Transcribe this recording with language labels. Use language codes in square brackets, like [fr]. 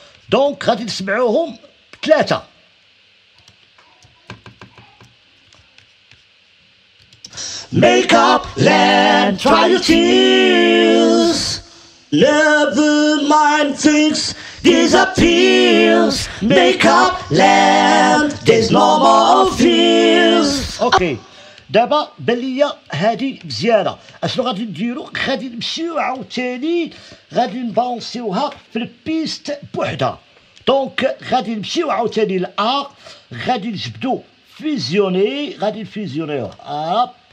[ar] دونك غادي نسمعوهم ثلاثة. [en] Make up land, try your tears. Never mind, things disappears. Make up land, there's no more fears. [ar] Okay, دابا بلية هادي مزيانة. أشنو غادي نديرو؟ غادي نمشيو عاوتاني، غادي نبانسيوها في البيست بوحدها. دونك غادي نمشيو عاوتاني لأ، غادي نجبدو فيزيوني، غادي نفيزيونيوه.